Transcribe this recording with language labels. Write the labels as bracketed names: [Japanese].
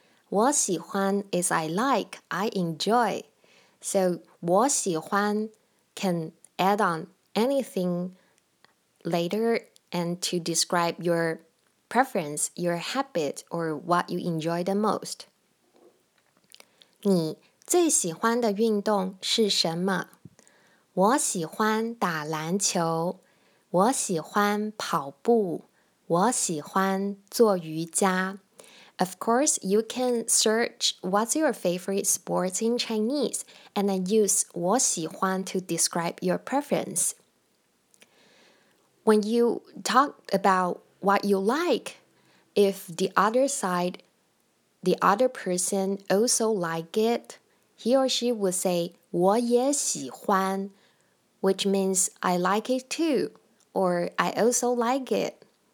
[Chinese] 我喜欢 [English] is I like, I enjoy. So 我喜欢 can add on anything later and to describe your preference, your habit, or what you enjoy the most. [Chinese] 你最喜欢的运动是什么？我喜欢打篮球，我喜欢跑步，我喜欢做瑜伽。 [English] Of course, you can search what's your favorite sport in Chinese and then use 我喜欢 to describe your preference. When you talk about what you like, if the other side, the other person also like it, he or she will say [Chinese] 我也喜欢 [English] which means I like it too, or I also like it.